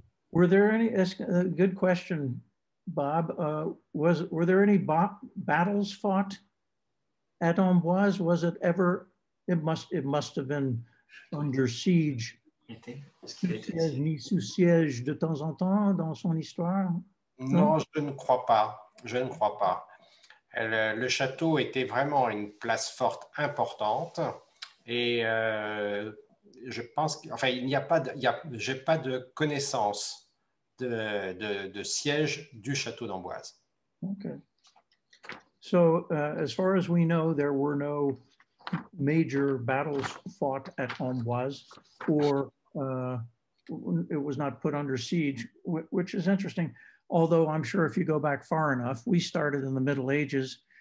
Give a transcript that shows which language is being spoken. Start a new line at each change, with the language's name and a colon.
English: Were there any, that's a good question, Bob. Were there any battles fought at Amboise? Was it ever, it must have been under siege.
French: Ni sous siège de temps en temps dans son histoire? Non, je ne crois pas. Je ne crois pas. Le château était vraiment une place forte importante et je pense que, enfin, j'ai pas de connaissance de siège du château d'Amboise.
English: Okay. So, as far as we know, there were no major battles fought at Amboise, or it was not put under siege, which is interesting. Although I'm sure if you go back far enough, we started in the Middle Ages.